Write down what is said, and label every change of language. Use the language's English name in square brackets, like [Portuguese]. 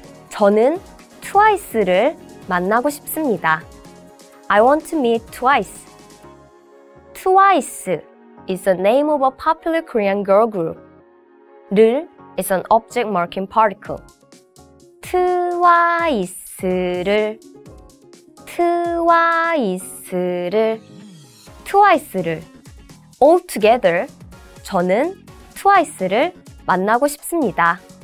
[Korean] 저는 트와이스를 만나고 싶습니다. [English] I want to meet twice. Twice is the name of a popular Korean girl group. 를 is an object marking particle. [Korean] 트와이스를, 트와이스를, 트와이스를. [English] All together, [Korean] 저는 트와이스를 만나고 싶습니다.